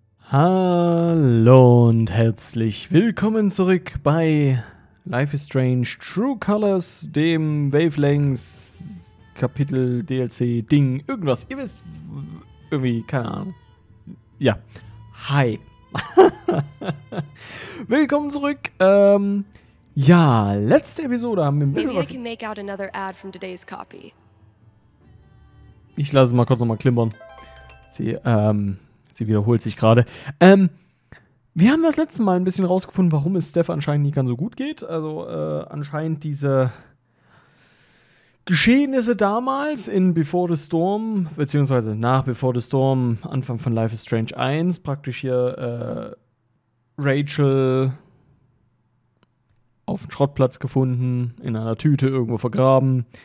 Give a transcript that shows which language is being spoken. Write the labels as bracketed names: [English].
[German] Hallo und herzlich willkommen zurück bei Life is Strange True Colors, dem Wavelengths Kapitel DLC Ding, irgendwas. Ihr wisst, irgendwie, keine Ahnung. Ja. Hi. Willkommen zurück. Ja, letzte Episode haben wir ein bisschen was. [English] Maybe I can make out another ad from today's copy. [German] Ich lasse es mal kurz nochmal klimpern. Sie wiederholt sich gerade. Wir haben das letzte Mal ein bisschen rausgefunden, warum es Steph anscheinend nicht ganz so gut geht. Also anscheinend diese Geschehnisse damals in Before the Storm, beziehungsweise nach Before the Storm, Anfang von Life is Strange 1, praktisch hier Rachel auf dem Schrottplatz gefunden, in einer Tüte irgendwo vergraben.